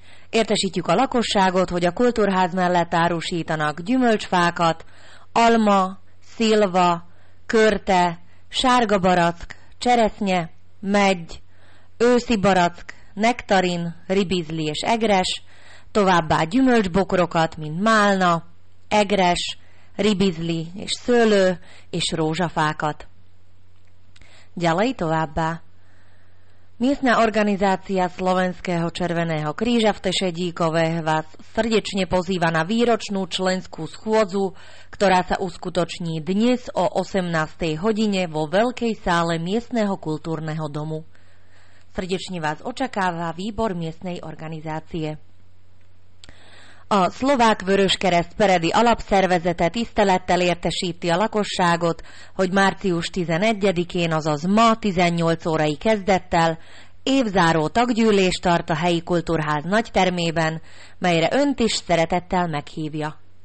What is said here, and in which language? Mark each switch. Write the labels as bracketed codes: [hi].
[hu] Értesítjük a lakosságot, hogy a kultúrház mellett árusítanak gyümölcsfákat, alma, szilva, körte, sárga barack, cseresznye, medgy, őszi barack, nektarin, ribizli és egres, továbbá gyümölcsbokrokat, mint málna, egres, ribizli és szőlő és rózsafákat. Gyalai továbbá. [sk] Miestna organizácia Slovenského červeného kríža v Tešedíkove vás srdečne pozýva na výročnú členskú schôdzu, ktorá sa uskutoční dnes o 18. hodine vo veľkej sále miestneho kultúrneho domu. Srdečne vás očakáva výbor miestnej organizácie. [hu] A Szlovák Vöröskereszt Peredi alapszervezete tisztelettel értesíti a lakosságot, hogy március 11-én, azaz ma 18 órai kezdettel évzáró taggyűlés tart a helyi kultúrház nagy termében, melyre önt is szeretettel meghívja.